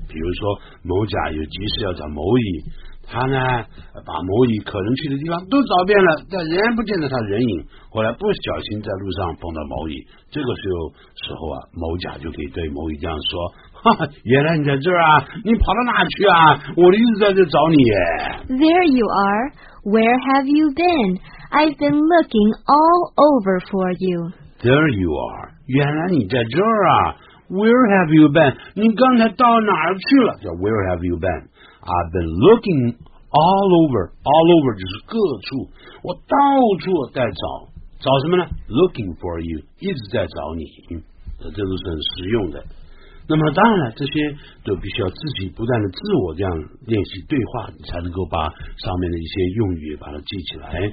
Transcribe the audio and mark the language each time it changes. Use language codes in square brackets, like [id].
[zh] 比如说某甲有急事要找某乙，他呢把某乙可能去的地方都找遍了，但仍然不见得他人影，后来不小心在路上碰到某乙，这个时候啊，某甲就可以对某乙这样说，哈哈，原来你在这儿啊，你跑到哪去啊，我一直在这找你耶。 [en] There you are, where have you been? I've been looking all over for you。 There you are， [zh] 原来你在这儿啊。 [en] Where have you been? [zh] 你刚才到哪儿去了，叫 [en] Where have you been? I've been looking all over。 All over [zh] 就是各处，我到处在找，找什么呢？ [en] Looking for you， [zh] 一直在找你，这都是很实用的。那么当然了，这些都必须要自己不断的自我这样练习对话，你才能够把上面的一些用语把它记起来。